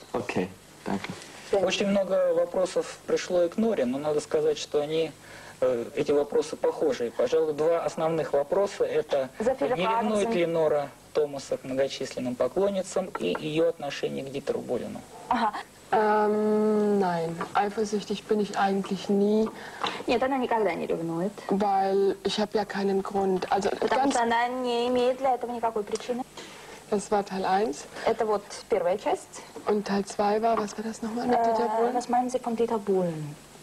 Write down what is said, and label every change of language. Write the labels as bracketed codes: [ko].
[ru] Окей, спасибо. Очень много вопросов пришло и к Норе, но надо сказать, что они... Эти вопросы похожие. Пожалуй, два основных вопроса – это не ревнует ли Нора Томаса к многочисленным поклонницам и ее отношение к Дитеру Болину. [de] Nein, eifersüchtig bin ich eigentlich nie. [ru] Нет, она никогда не ревнует. [de] Weil ich habe ja keinen Grund. Also, [ru] потому что она не имеет для этого никакой причины. [de] Das war Teil 1. [ru] Это вот первая часть. [de] Und Teil 2 war, was war das nochmal mit Дитер Болин? Was meinen Sie von Дитер Болин?